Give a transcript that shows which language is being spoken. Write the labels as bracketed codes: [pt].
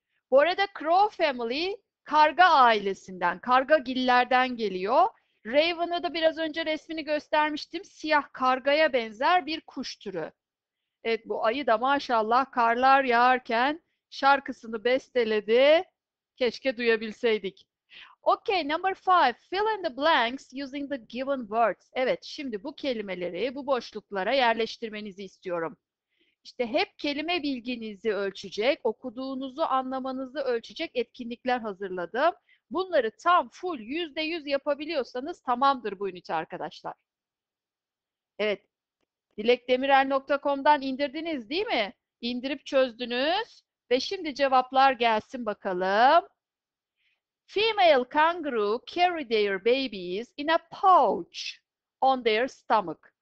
[tr] Bu arada [en] crow family [tr] karga ailesinden, kargagillerden geliyor. Raven'ı da biraz önce resmini göstermiştim. Siyah kargaya benzer bir kuş türü. Evet, bu ayı da maşallah karlar yağarken şarkısını besteledi. Keşke duyabilseydik. [en] Okay, number five. Fill in the blanks using the given words. [tr] Evet, şimdi bu kelimeleri bu boşluklara yerleştirmenizi istiyorum. İşte hep kelime bilginizi ölçecek, okuduğunuzu anlamanızı ölçecek etkinlikler hazırladım. Bunları tam full %100 yapabiliyorsanız tamamdır bu ünite arkadaşlar. Evet, dilekdemirel.com'dan indirdiniz değil mi? İndirip çözdünüz ve şimdi cevaplar gelsin bakalım. [en] Female kangaroo carry their babies in a pouch on their stomach.